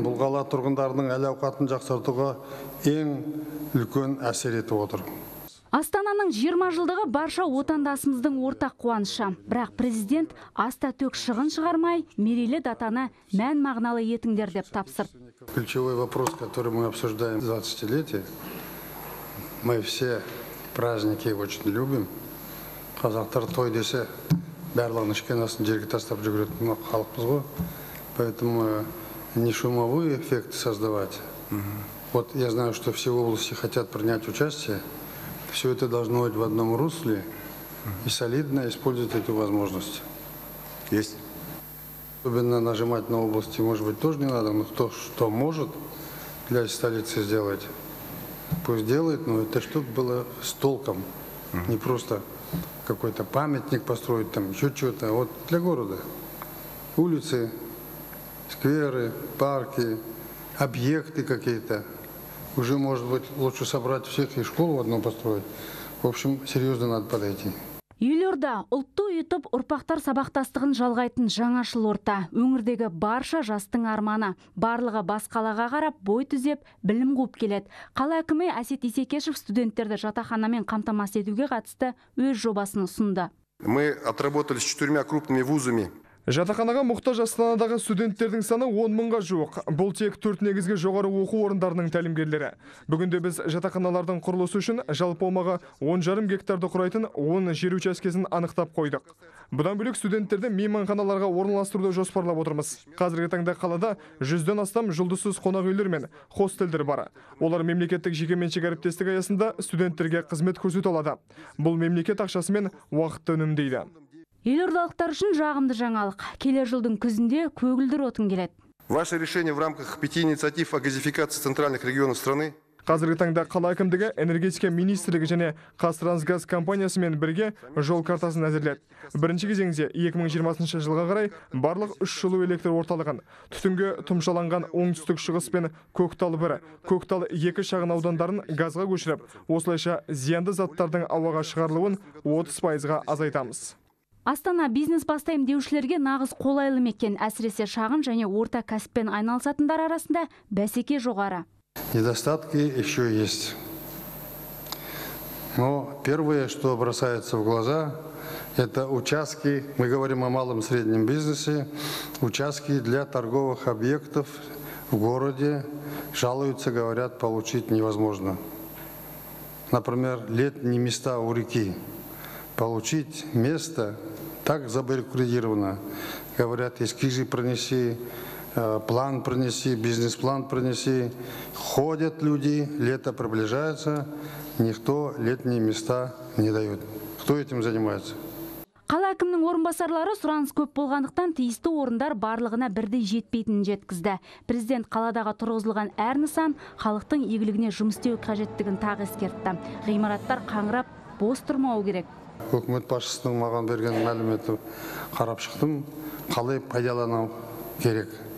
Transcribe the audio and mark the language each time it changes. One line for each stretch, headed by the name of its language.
Kazakh: Бұл қала тұрғындарының әл-ауқатын жақсартуға ең үлкен әсер етіп отыр. Астананың 20 жылдығы барша отандасымыздың ортақ қуанышы. Бірақ президент аста төк шығын шығармай, мерейлі датаны мән мағыналы етіңдер деп тапсырды.
Russian: Ключевой вопрос, который мы обсуждаем 20-летие, мы все праздники очень любим.
Kazakh: Қазақтар той десе, барлығын ішкен асын жерге тастап жүгіретін халықпыз ғой.
Russian: Поэтому не шумовой эффект создавать. Вот я знаю, что все области хотят принять участие. Все это должно быть в одном русле и солидно использовать эту возможность. Есть. Особенно нажимать на области, может быть, тоже не надо, но кто что может для столицы сделать, пусть делает, но это чтобы было с толком, не просто какой-то памятник построить, там еще что-то, вот для города. Улицы, скверы, парки, объекты какие-то. Уже, может быть, лучше собрать всех и школу в одну построить. В общем, серьезно надо подойти.
Kazakh: Елорда ұлтты ұйытып ұрпақтар сабақтастығын жалғайтын жаңашыл орта. Өңірдегі барша жастың арманы. Барлығы бас қалаға қарап, бой түзеп, білім қуып келеді. Қала әкімі Әсет Исекешев студенттерді жатақханамен қамтамасыз етуге қатысты өз жобасын ұсынды.
Russian: Мы отработали с 4 крупными вузами.
Kazakh: Жатаханаға мұқтаж Астанадағы студенттердің саны 10 мыңға жуық. Бұл тек төрт негізгі жоғары оқу орындарының тәлімгерлері. Бүгінде біз жатаханалардың құрылысы үшін жалпы аумағы 10,5 гектарды құрайтын 10 жер учаскесін анықтап қойдық. Бұдан бөлек студенттерді мейманханаларға орналастыруды жоспарлап отырмыз. Қазіргі таңда қалада 100-ден астам жұлдызсыз қонақ үйлер мен хостелдер бар. Олар мемлекеттік жекеменшік әріптестік аясында студенттерге қызмет көрсете алады. Бұл мемлекет ақшасымен уақытты үнемдейді. Елордалықтар үшін жағымды жаңалық. Келер жылдың күзінде көгілдір отын келеді.
Russian: Ваше решение в рамках пяти инициатив о газификации центральных регионов страны.
Kazakh: Қазіргі таңда қала әкімдігі энергетика министрлігі және Қазтрансгаз компаниясымен бірге жол картасын әзірледі. Бірінші кезеңде 2020 жылға қарай барлық 3 жылу электр орталығын, түтінге тұмшаланған оңтүстік шығыс пен Көктал 1, Көктал 2 шағын аудандарын газға көшіріп, осылайша зиянды заттардың ауаға шығарылуын 30%-ға азайтамыз. Астана бизнес бастайым деушілерге нағыз қолайлы мекен, әсіресе шағын және орта кәсіппен айналысатындар арасында бәсеке жоғары.
Russian: Недостатки еще есть. Но первое, что бросается в глаза, это участки, мы говорим о малом среднем бизнесе, участки для торговых объектов в городе, жалуются, говорят, получить невозможно. Например, летние места у реки. Получить место так забаррикадировано, говорят, эскизы пронеси, план принеси, бизнес-план принеси. Ходят люди, лето приближается, никто летние места не дает. Кто этим занимается?
Kazakh: Қала әкімнің орынбасарлары сұраныс көп болғандықтан тиісті орындар барлығына бірдей жетпейтінін жеткізді. Президент қаладағы тұрғызылған әр нысан халықтың игілігіне жұмыс істеу қажеттігін тағы ескертті. Ғимараттар қаңырап бос тұрмауы керек. Үкімет басшысының маған берген мәліметі қарап шықтым, қалай пайдалану керек.